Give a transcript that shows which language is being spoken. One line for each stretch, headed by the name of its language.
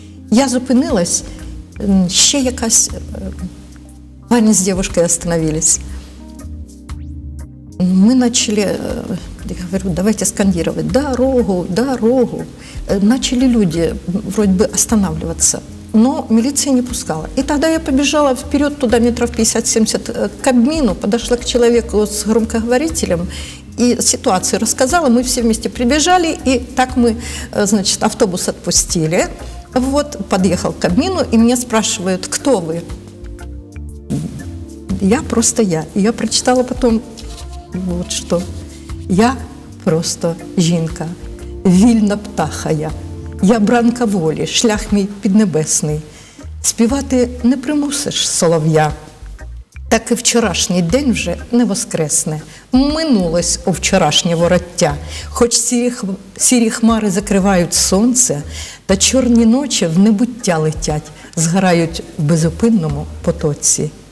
Ukrainian: Я зупинилась, ще якась пані з дівчинкою остановились. Ми почали, я говорю, давайте скандувати, дорогу, дорогу.
Russian: Начали люди вроде бы останавливаться, но милиция не пускала. И тогда я побежала вперед туда метров 50-70 к Кабмину, подошла к человеку с громкоговорителем и ситуацию рассказала. Мы все вместе прибежали, и так мы, значит, автобус отпустили. Вот, подъехал к Кабмину, и меня спрашивают, кто вы? Я просто я. И я прочитала потом вот что.
Ukrainian: Я просто жінка. Вільна птаха я, бранка волі, шлях мій піднебесний. Співати не примусиш, солов'я. Так і вчорашній день вже не воскресне. Минулось у вчорашнє вороття. Хоч сірі хмари закривають сонце, та чорні ночі в небуття летять, згорають в безупинному потоці.